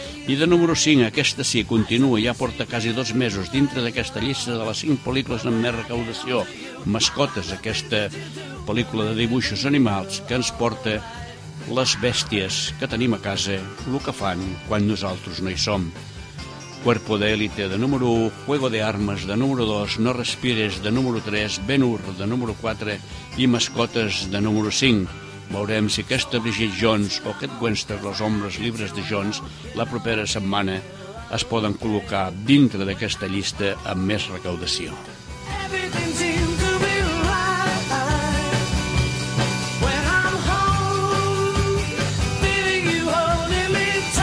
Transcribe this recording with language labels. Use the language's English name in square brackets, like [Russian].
[Catalan] I de número 5, aquesta sí, continua, ja porta quasi dos mesos dintre d'aquesta llista de les 5 pel·lícules amb més recaudació. Mascotes, aquesta pel·lícula de dibuixos animals que ens porta les bèsties que tenim a casa, el que fan quan nosaltres no hi som. Cuerpo de Élite, de número 1, Juego de Armas, de número 2, No respires, de número 3, Ben-Hur, de número 4 i Mascotes, de número 5. Veurem si aquesta Bridget Jones o aquest Wester, Los hombres libres de Jones, la propera setmana es poden col·locar dintre d'aquesta llista amb més recaudació. [English] Everything seems to be right when I'm home, feeling you holding me.